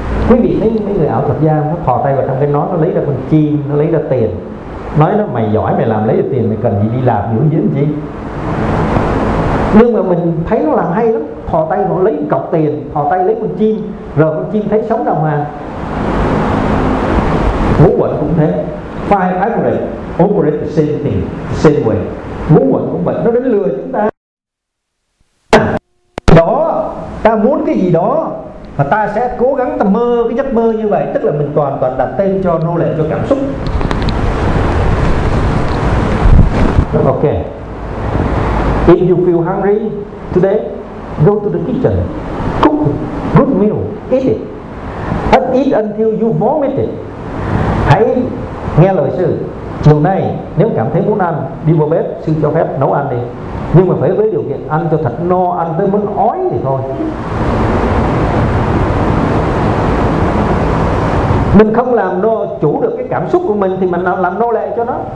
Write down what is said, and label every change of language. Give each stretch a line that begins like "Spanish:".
Vietnamese: Quý vị thấy mấy người ảo thuật gia, nó thò tay vào trong cái nón, nó lấy ra con chim, nó lấy ra tiền, nói nó mày giỏi, mày làm lấy được tiền, mày cần gì đi làm dữ dữ gì. Nhưng mà mình thấy nó làm hay lắm, thò tay nó lấy một cọc tiền, thò tay lấy con chim, rồi con chim thấy sống đồng hàng. Ngũ quẩn cũng thế.
English: Five aggregate operate the same thing, the same way.
Vietnamese: Ngũ quẩn cũng vậy, nó đến lừa chúng ta. Đó, ta muốn cái gì đó và ta sẽ cố gắng ta mơ cái giấc mơ như vậy. Tức là mình toàn đặt tên cho nô lệ cho cảm xúc.
English: Ok. If you feel hungry today, go to the kitchen, cook good meal, eat it, and eat until you vomit it.
Vietnamese: Hãy nghe lời sư. Chiều nay nếu cảm thấy muốn ăn, đi vào bếp, sư cho phép nấu ăn đi. Nhưng mà phải với điều kiện ăn cho thật no, ăn tới muốn ói thì thôi. Mình không làm nô chủ được cái cảm xúc của mình thì mình làm nô lệ cho nó.